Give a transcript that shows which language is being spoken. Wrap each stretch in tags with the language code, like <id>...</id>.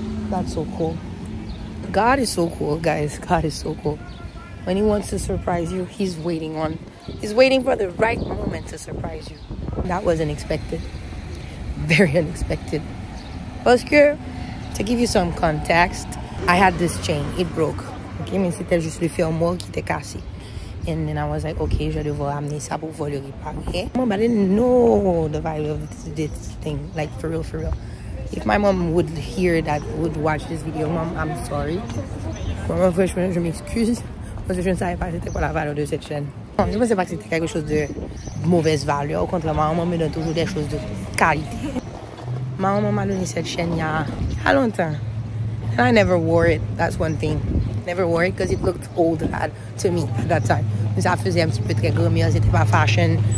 <en>That's so cool. God is so cool, guys. God is so cool. When he wants to surprise you, he's waiting for the right moment to surprise you. That was unexpected. Very unexpected. Oscar, to give you some context, I had this chain. It broke.</en> <fr>Okay, mais c'était juste le fermoir qui était cassé.</fr> <en>And then I was like, okay,</en> <fr>je devrais amener ça pour voler le paquet.</fr> <en>But I didn't know the value of this thing. Like, for real. If my mom would hear that, would watch this video, mom, I'm sorry.</en> <fr>Mom, je m'excuse. Parce que je ne savais pas c'était quoi la valeur de cette chaîne. Non, je ne pensais pas que c'était quelque chose de mauvaise valeur. Au contraire, ma maman me donne toujours des choses de qualité. Ma maman m'a donné cette chaîne il y a longtemps.</fr> <en>And I never wore it, that's one thing. Never wore it because it looked old to me at that time.</en> <fr>Mais ça faisait un petit peu très gourmet, c'était pas fashion.</fr>